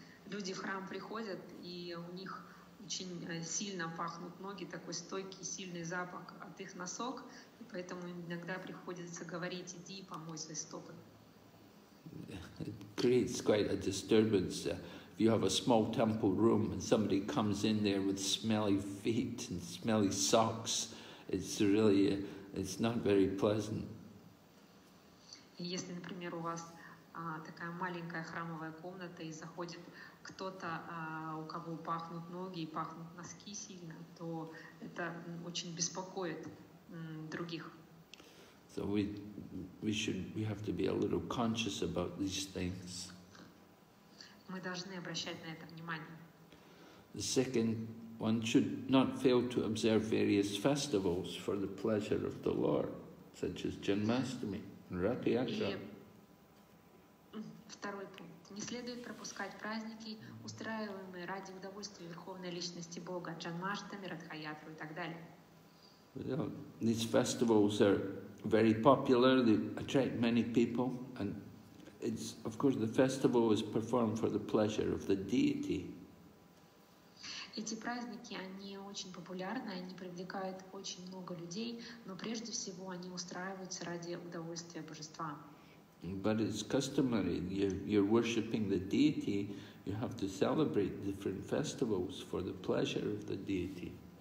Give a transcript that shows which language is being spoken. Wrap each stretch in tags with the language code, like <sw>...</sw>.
<ru>Люди в храм приходят, и у них очень сильно пахнут ноги, такой стойкий, сильный запах от их носок, и поэтому иногда приходится говорить: иди и помой свои стопы.</ru> <en>It creates quite a disturbance if you have a small temple room and somebody comes in there with smelly feet and smelly socks. It's not very pleasant.</en> <ru>Если, например, у вас такая маленькая храмовая комната, и заходит кто-то, у кого пахнут ноги и пахнут носки сильно, то это очень беспокоит других.</ru> <en>So we have to be a little conscious about these things.</en> <ru>Мы должны обращать на это внимание.</ru> <en>The second, one should not fail to observe various festivals for the pleasure of the Lord, such as Janmashtami and Rath Yatra.</en> <ru>Второй пункт. Не следует пропускать праздники, устраиваемые ради удовольствия Верховной Личности Бога, Джанмаштами, Радхаятру и так далее.</ru> <en>You know, these festivals are very popular, they attract many people, and it's, of course, the festival is performed for the pleasure of the deity.</en> <ru>Эти праздники, они очень популярны, они привлекают очень много людей, но прежде всего они устраиваются ради удовольствия Божества.</ru> <en>But it's customary, you're worshipping the deity, you have to celebrate different festivals for the pleasure of the deity.</en>